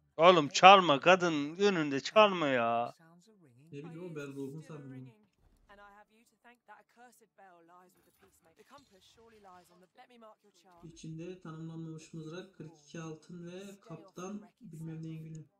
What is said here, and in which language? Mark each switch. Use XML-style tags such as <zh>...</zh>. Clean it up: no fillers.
<tr>Oğlum çalma, kadın önünde çalma ya. Ne biliyorum, ben doğdum sanırım.</tr> <en>And I have you to thank that accursed bell lies with the peacemaker. The compass surely lies on the. Let me mark your charge.</en> <tr>İçinde tanımlanmamış mızrak, 42 altın ve kaptan bilmem neyin günü.</tr>